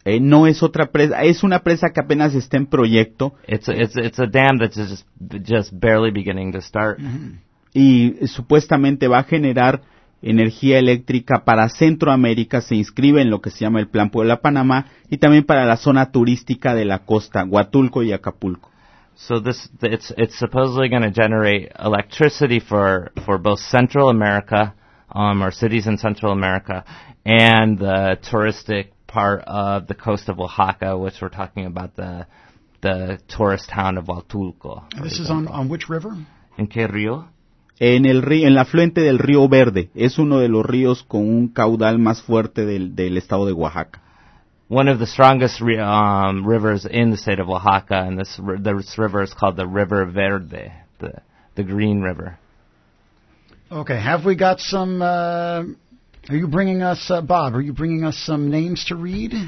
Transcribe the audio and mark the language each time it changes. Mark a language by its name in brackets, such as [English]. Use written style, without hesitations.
[Spanish] No es otra presa, es una presa que apenas está en proyecto. [English] It's a dam that's just barely beginning to start. [Spanish] Y supuestamente va a generar energía eléctrica para Centroamérica, se inscribe en lo que se llama el Plan Puebla-Panamá, y también para la zona turística de la costa, Huatulco y Acapulco. [English] So this it's supposedly going to generate electricity for both Central America, or cities in Central America, and the touristic part of the coast of Oaxaca, which we're talking about the tourist town of Huatulco. And this is on which river? [Spanish] ¿En qué río? En el río, en la afluente del río Verde. Es uno de los ríos con un caudal más fuerte del estado de Oaxaca. [English] One of the strongest rivers in the state of Oaxaca, and this river is called the River Verde, the Green River. Okay, have we got some, are you bringing us, Bob, are you bringing us some names to read?